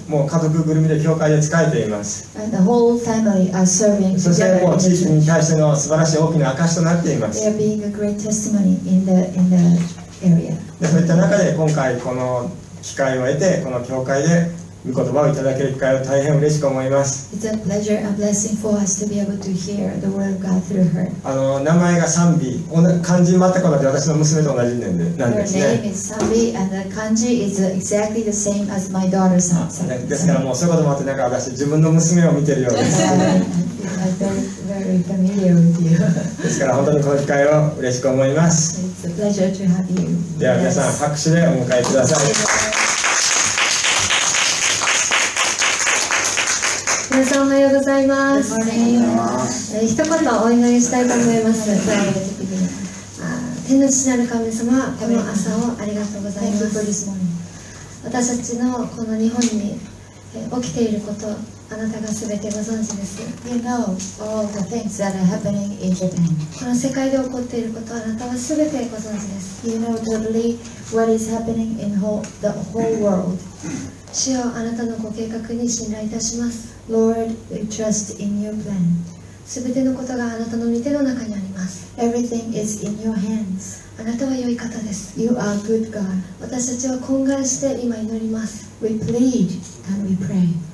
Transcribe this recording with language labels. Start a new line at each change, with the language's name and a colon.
Japanese: もう家族ぐるみで教会で仕えています。
English: And the whole family are serving.
Japanese: そしてもう地域に対しての素晴らしい大きな証となっています。
English: They are being a great testimony in the area.
Japanese: でそういった中で今回この機会を得てこの教会で御言葉をいただける機会を大変嬉しく思います。
English: It's a pleasure and blessing for us to be able to hear the word of God through her.
Japanese: 名前が賛美、漢字全く同じ、私の娘と同じなんですね。
English: Her name is 賛美 and the 漢字 is exactly the same as my daughter 賛美。
Japanese: ですからもうそういうこともあって、なんか私自分の娘を見てるようです。
English: I feel very very familiar with you.
Japanese: ですから本当にこの機会を嬉しく思います。
English: It's a pleasure to have you.
Japanese: では皆さん拍手でお迎えください。皆さんおはようございます。一言お祈りしたいと思います。天の父なる神様、この朝をありがとうございます。私たちのこの日本に起きていること、あなたがすべてご存知です。
English: You know all the things that are happening in Japan.
Japanese: この世界で起こっていることあなたはすべてご存知です。
English: You know totally what is happening in the whole world.
Japanese: 主よ、あなたのご計画に信頼いたします。
English: Lord, we trust in your plan.
Japanese: すべてのことがあなたの御手の中にあります。
English: Everything is in your hands.
Japanese: あなたは良い方です。
English: You are good God.
Japanese: 私たちは懇願して今祈ります。
English: We plead and we pray.